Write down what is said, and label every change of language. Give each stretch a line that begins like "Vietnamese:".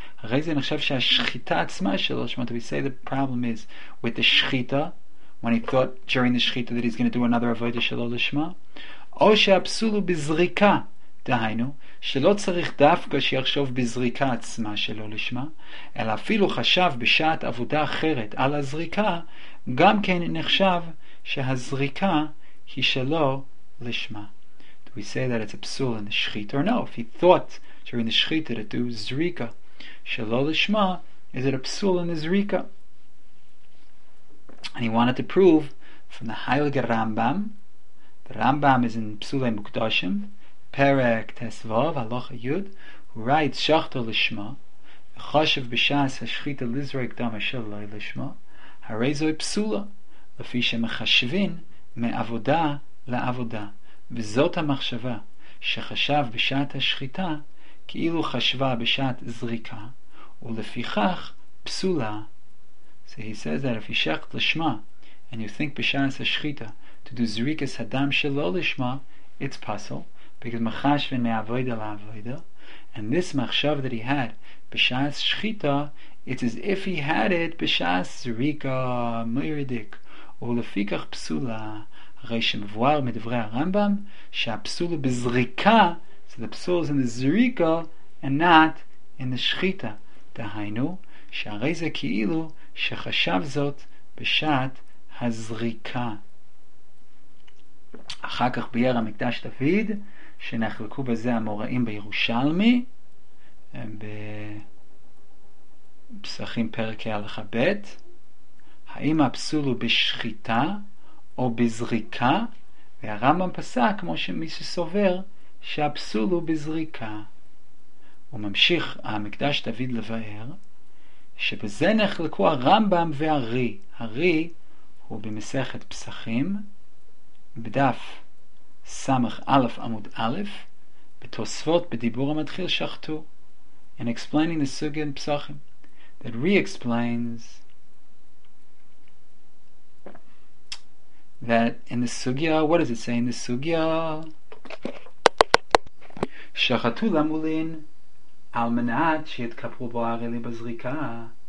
Hebrew: הרי זה נחשב שהשחיטה עצמה שלו, שמעת,
English: we say the problem is with the שחיטה, when he thought during the שחיטה that he's going to do another
Hebrew: עבודה שלו לשמה, או שהפסול הוא בזריקה, דהיינו, שלא צריך דווקא שיחשוב בזריקה עצמה שלו לשמה, אלא אפילו חשב בשעת עבודה אחרת על הזריקה, גם כן נחשב שהזריקה היא שלו לשמה.
English: We say that it's a psul in the shechita, or no, if he thought during the shechita to do zrika shelo lishma, is it a psul in the zrika? And he wanted to prove from the Heilige Rambam, the Rambam is in
Hebrew: psulei mukdashim perek tesvav halacha yud,
English: who writes
Hebrew: shachto lishma v'choshev b'shas hashechita lizrek dama shelo lishma harei zoi psula lafi shemachashvin me'avoda la'avoda. וזאת המחשבה שחשב בשעת השחיטה כאילו חשבה בשעת זריקה, ולפיכך פסולה.
English: So he says that if you shecht lishma and you think בשעת השחיטה to do zrikas hadam שלא לשמה, it's pasul because
Hebrew: מחשבין מעבודה לעבודה,
English: and this מחשב that he had בשעת שחיטה, it's as if he had it בשעת זריקה מיירדיק,
Hebrew: ולפיכך פסולה. הרי שמבואר מדברי הרמב״ם שהפסול הוא בזריקה,
English: so the psul is in the
Hebrew: zrika and not in the שחיטה, דהיינו שהרי זה כאילו שחשב זאת בשעת הזריקה. אחר כך ביאר המקדש דוד שנחלקו בזה המוראים בירושלמי בפסחים פרקי הלכה ב', האם הפסול הוא בשחיטה או בזריקה, והרמב״ם פסק כמו שמי שסובר שהפסול הוא בזריקה. הוא ממשיך המקדש דוד לבאר שבזה נחלקו הרמב״ם והרי. הרי הוא במסכת פסחים בדף סמך א' עמוד א' בתוספות בדיבור המתחיל שחטו,
English: in explaining the sugya in
Hebrew: פסחים.
English: that re-explains that in the sugya, what does it say in the sugya?
Hebrew: Shachatu lamulin al menat shiit kapu ba'areli bazrika.